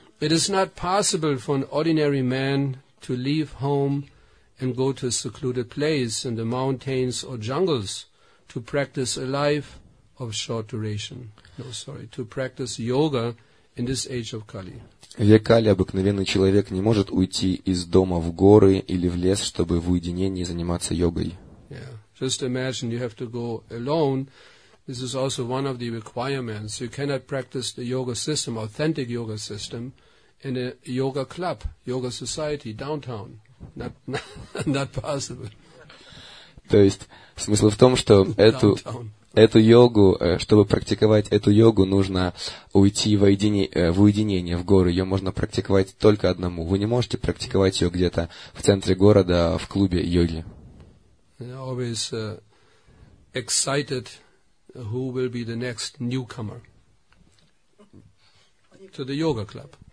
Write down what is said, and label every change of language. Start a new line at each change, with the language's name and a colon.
English: It is not possible for an ordinary man to leave home and go to a secluded place in the mountains or jungles to practice a life of short duration. No, sorry, to practice yoga in this age of Kali.
Russian: В век Кали обыкновенный человек не может уйти из дома в горы или в лес, чтобы в уединении заниматься йогой.
English: Yeah. Just imagine you have to go alone. This is also one of the requirements. You cannot practice the yoga system, authentic yoga system, in a yoga club, yoga society, downtown. Not possible.
Russian: То есть смысл в том, что эту йогу, чтобы практиковать эту йогу, нужно уйти в уединение, в горы. Ее можно практиковать только одному. Вы не можете практиковать ее где-то в центре города, в клубе йоги.
English: Always excited who will be the next newcomer to the yoga club.